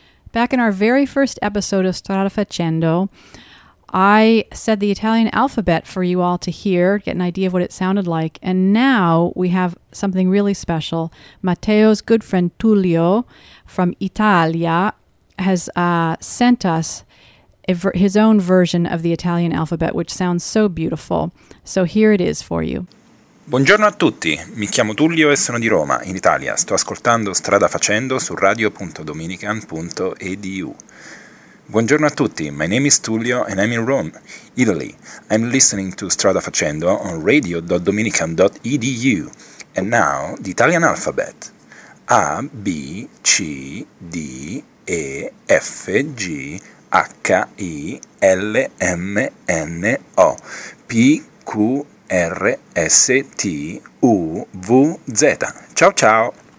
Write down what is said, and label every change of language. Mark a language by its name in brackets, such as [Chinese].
[English] Back in our very first episode of Strada Facendo, I said the Italian alphabet for you all to hear, get an idea of what it sounded like. And now we have something really special. Matteo's good friend Tullio from Italia has sent us his own version of the Italian alphabet, which sounds so beautiful. So here it is for you. [Italian] Buongiorno a tutti, mi chiamo Tullio e sono di Roma, in Italia. Sto ascoltando Strada Facendo su radio.dominican.edu. Buongiorno a tutti, [English] my name is Tullio and I'm in Rome, Italy. I'm listening to Strada Facendo on radio.dominican.edu. And now, the Italian alphabet. A, B, C, D, E, F, G, H, I, L, M, N, O, P, Q, R, S, T, U, V, Z. [Italian] Ciao, ciao.